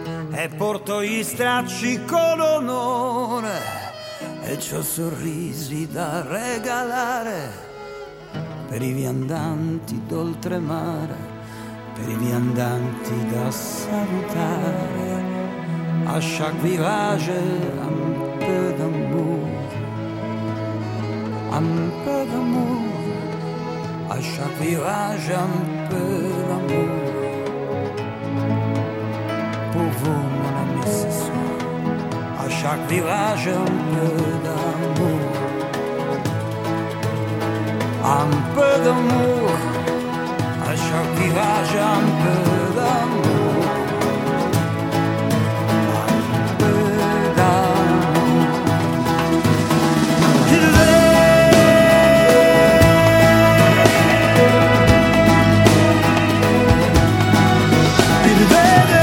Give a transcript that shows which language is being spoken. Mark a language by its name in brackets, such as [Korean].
[Italian] E porto gli stracci con onore e c'ho sorrisi da regalare per i viandanti d'oltremare, per i viandanti da salutare. [French] A chaque village, un peu d'amour, un peu d'amour. A chaque village, un peu d'amour pour vous, mon ami, ce soir. A chaque village, un peu d'amour, un peu d'amour. Chaque village, un peu d'amour, un peu d'amour. Il est, il est, il est, il est.